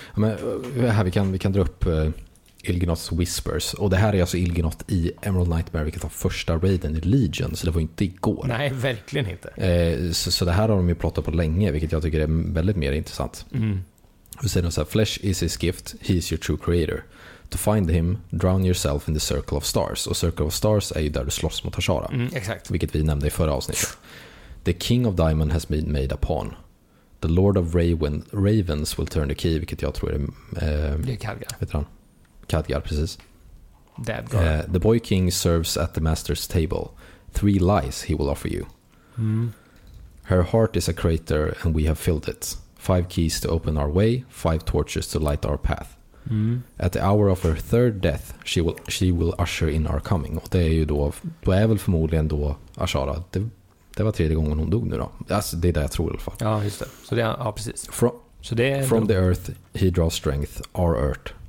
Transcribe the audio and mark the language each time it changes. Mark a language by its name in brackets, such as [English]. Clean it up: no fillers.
[Swedish] Ja, men här vi kan dra upp Ilgenoths whispers, och det här är alltså Ilgenoth i Emerald Nightmare, vilket var första raiden i Legion, så det var inte igår. Nej, verkligen inte. Så det här har de ju plottat på länge, vilket jag tycker är väldigt mer intressant. Och säger de så här: [English] flesh is his gift, he is your true creator. To find him, drown yourself in the circle of stars. [Swedish] Och circle of stars är ju där du slåss mot Ashara. Mm, exakt. Vilket vi nämnde i förra avsnittet. [English] The king of diamond has been made upon. The Lord of Ravens will turn the key, [Swedish] vilket jag tror är [English] Khadgar. [Swedish] Vet han? Khadgar, precis. [English] Dead God. The boy king serves at the master's table. 3 lies he will offer you. Mm. Her heart is a crater and we have filled it. 5 keys to open our way, 5 torches to light our path. Mm. At the hour of her third death, she will usher in our coming. [Swedish] Och det är ju då är väl förmodligen då Ashara. Det var tredje gången hon dog nu då. Alltså, det är det jag tror i alla fall. Ja, just det. Så det är, ja, precis. [English] From the earth he draws strength, our earth.